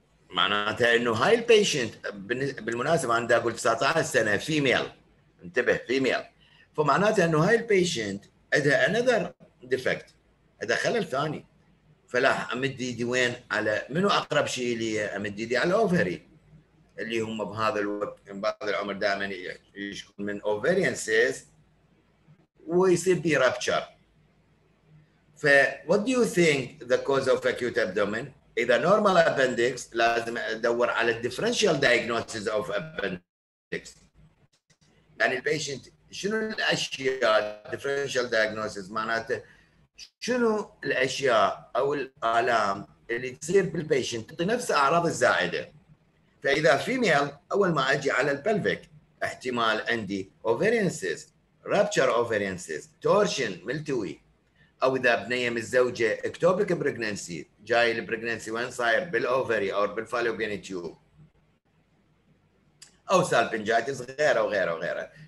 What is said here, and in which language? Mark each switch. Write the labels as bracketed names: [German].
[Arabic] معناتها انه هاي البيشنت بالمناسبه عندها اقول 19 سنه فيميل، انتبه فيميل، فمعناتها انه هاي البيشنت عندها انذر ديفكت، عندها خلل ثاني. فلا امد ايدي وين على منو اقرب شيء لي؟ امد ايدي على الاوفري اللي هم بهذا الوقت بهذا العمر دائما يشكون من اوفريان سيس ويصير بي رابتشر. [English] ف what do you think the cause of acute abdomen؟ إذا normal appendix [Arabic] لازم أدور على [English] differential diagnosis of appendix. [Arabic] يعني البيشنت شنو الأشياء differential diagnosis، معناته شنو الأشياء أو الآلام اللي تصير بالبيشنت تعطي نفس أعراض الزائدة. فإذا فيميل أول ما أجي على البلفيك احتمال عندي ovarian cyst, rupture ovarian cyst, torsion ملتوي، أو إذا بنية متزوجة ectopic pregnancy جاي البريجننسي وين صاير بالأوفري أو بالفالوبيان تيوب أو سالبنجايتس غيره وغيره وغيره.